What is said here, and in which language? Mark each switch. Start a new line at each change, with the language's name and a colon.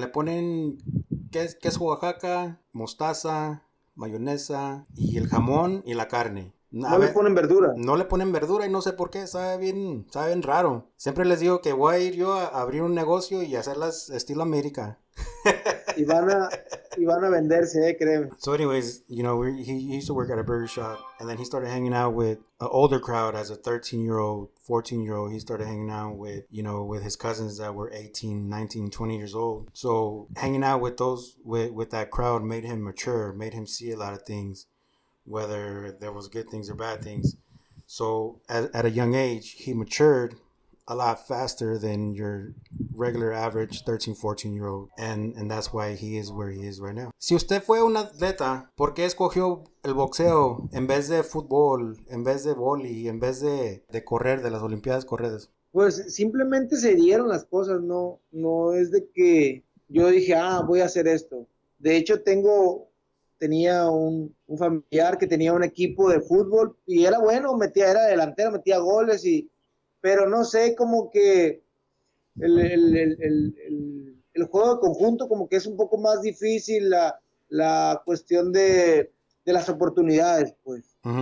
Spanish: Le ponen queso Oaxaca, mostaza, mayonesa, y el jamón y la carne. A No le ver, ponen verdura. no le ponen verdura y no sé por qué, sabe bien raro. Siempre les digo que voy a ir yo a abrir un negocio y hacerlas estilo América. Y van a venderse, créeme.
English: So anyways, you know, he used to work at a burger shop, and then he started hanging out with an older crowd as a 13-year-old, 14-year-old. He started hanging out with, you know, with his cousins that were 18, 19, 20 years old. So hanging out with those with that crowd made him mature, made him see a lot of things, whether there was good things or bad things. So at a young age, he matured a lot faster than your regular average 13, 14-year-old, and that's why he is where he is right now.
Spanish: Si usted fue un atleta, ¿por qué escogió el boxeo en vez de fútbol, en vez de vóley, en vez de correr, de las Olimpiadas corridas? Pues simplemente se dieron las cosas, no, no es de que yo dije, voy a hacer esto. De hecho, tenía un familiar que tenía un equipo de fútbol y era bueno, era delantero, metía goles, pero no sé, como que el juego de conjunto, como que es un poco más difícil la cuestión de las oportunidades, pues.